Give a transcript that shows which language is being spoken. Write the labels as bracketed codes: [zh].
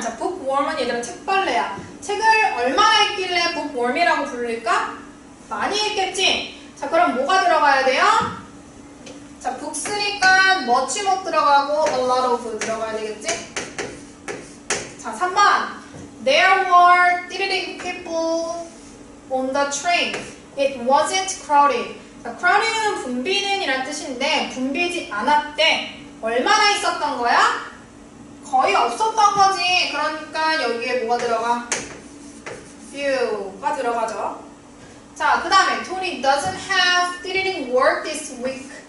[ko] 자, bookworm은 얘들아 책벌레야. 책을 얼마나 읽길래 bookworm이라고 부를까? 많이 읽겠지? 자, 그럼 뭐가 들어가야 돼요? 자, books니까 much 못 들어가고 a lot of 들어가야 되겠지? 자, 3번. [en] There were thrilling people on the train. It wasn't crowded. [ko] 자, crowded은 붐비는 이란 뜻인데 붐비지 않았대. 얼마나 있었던 거야? 거의 없었던 거지. 그러니까 여기에 뭐가 들어가? few가 들어가죠. [en] 자, 그 다음에 Tony doesn't have thrilling work this week.